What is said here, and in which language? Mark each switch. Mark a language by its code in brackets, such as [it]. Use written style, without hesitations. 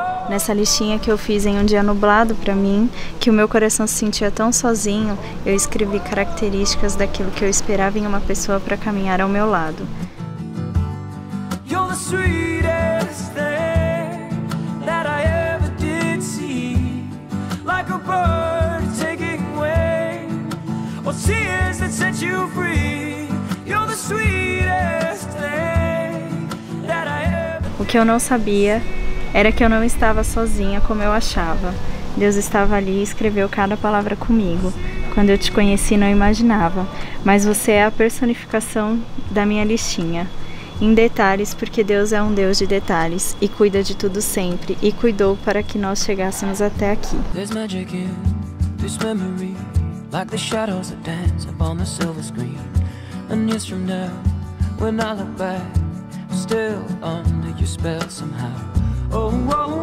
[pt] Nessa listinha que eu fiz em um dia nublado pra mim, que o meu coração se sentia tão sozinho, eu escrevi características daquilo que eu esperava em uma pessoa pra caminhar ao meu lado. [en] You're the sweetest thing that I ever did see. Like a bird taking wing, or tears that set you free. You're the sweetest thing that I ever. [pt] O que eu não sabia era que eu não estava sozinha como eu achava. Deus estava ali e escreveu cada palavra comigo. Quando eu te conheci, não imaginava. Mas você é a personificação da minha listinha. Em detalhes, porque Deus é um Deus de detalhes e cuida de tudo sempre. E cuidou para que nós chegássemos até aqui. [en] There's magic in this memory, like the shadows that dance upon the silver screen. And years from now, when I look back, still under your spell somehow.